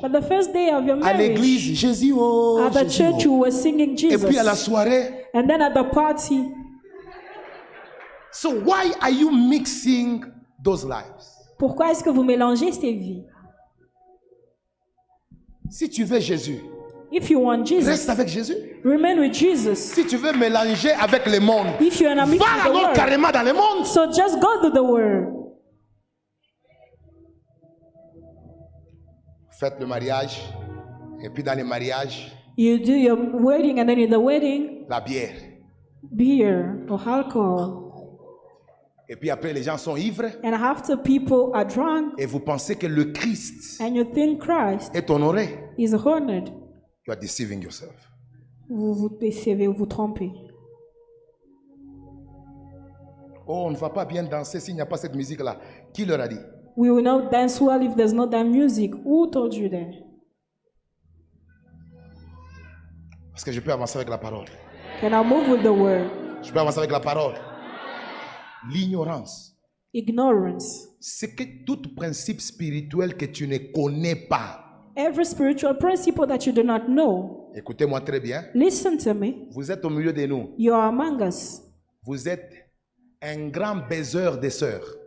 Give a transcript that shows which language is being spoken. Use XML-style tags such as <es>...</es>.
<en>but the first day of your marriage,</en> <fr>à l'église, Jésus, oh,</fr> <en>at the</en> <fr>Jésus,</fr> <en>church, You were singing Jesus.</en> <fr>Et puis à la soirée,</fr> <en>and then at the party. So why are you mixing those lives?</en> <fr>Pourquoi est-ce que vous mélangez ces vies? Si tu veux Jésus,</fr> <en>if you want Jesus,</en> <fr>reste avec Jésus.</fr> <en>Remain with Jesus.</en> <fr>Si tu veux mélanger avec le monde,</fr> <en>if you're an amie</en> <fr>va alors carrément dans le monde.</fr> <en>So just go to the world.</en> <fr>Faites le mariage et puis dans les mariages</fr> <en>You do your wedding, and then in the wedding,</en> <fr>la bière.</fr> <en>Beer or alcohol.</en> <fr>Et puis après, les gens sont ivres.</fr> <en>And after people are drunk.</en> <fr>Et vous pensez que le Christ,</fr> <en>and you think Christ</en> <fr>est honoré,</fr> <en>is honored. You are deceiving yourself.</en> <fr>Vous vous décevez, vous trompez. Oh, on ne va pas bien danser s'il n'y a pas cette musique-là. Qui leur a dit?</fr> <en>We will not dance well if there's not that music. Who told you that?</en> <fr>Est-ce que je peux avancer avec la parole?</fr> <en>Can I move with the word?</en> <fr>Je peux avancer avec la parole. L'ignorance.</fr> <en>Ignorance.</en> <fr>C'est que tout principe spirituel que tu ne connais pas.</fr> <en>Every spiritual principle that you do not know.</en> <fr>Écoutez-moi très bien.</fr> <en>Listen to me.</en> <fr>Vous êtes au milieu de nous.</fr> <en>You are among us.</en> <fr>Vous êtes un grand baiseur des sœurs.</fr>